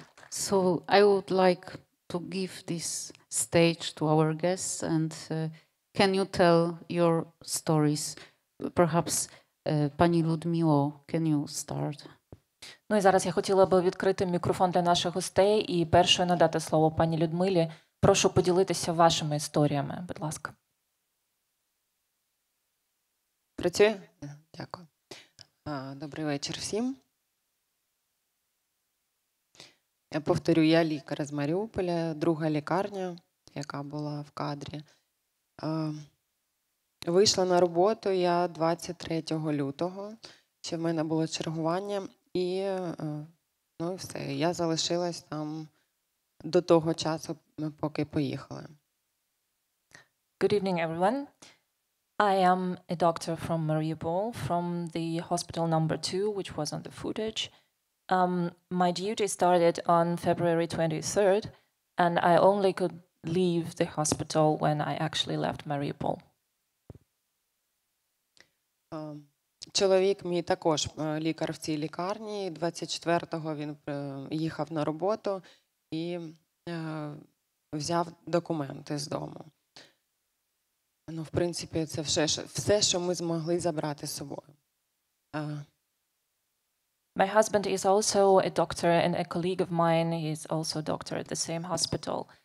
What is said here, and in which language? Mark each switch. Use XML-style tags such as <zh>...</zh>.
<en>So, I would like to give this stage to our guests, and can you tell your stories? Perhaps пані Людмило, can you start?</en> <uk>Ну і зараз я хотіла би відкрити мікрофон для наших гостей і першою надати слово пані Людмилі. Прошу поділитися вашими історіями, будь ласка. Працює? Дякую. Добрий вечір всім. Я повторю, я лікар з Маріуполя, друга лікарня, яка була в кадрі. Вийшла на роботу я 23 лютого, ще в мене було чергування, і ну, все, я залишилась там до того часу, поки поїхали.</uk> <en>Good evening, everyone. I am a doctor from Mariupol, from the hospital number 2, which was on the footage. My duty started on February 23rd, and I only could leave the hospital when I actually left Mariupol.</en> <uk>Чоловік мій також лікар в цій лікарні, 24-го він їхав на роботу і взяв документи з дому. Ну, в принципі, це все, що ми змогли забрати з собою.</uk> <en>My husband is also a doctor and a colleague of mine is also a doctor at the same hospital.</en>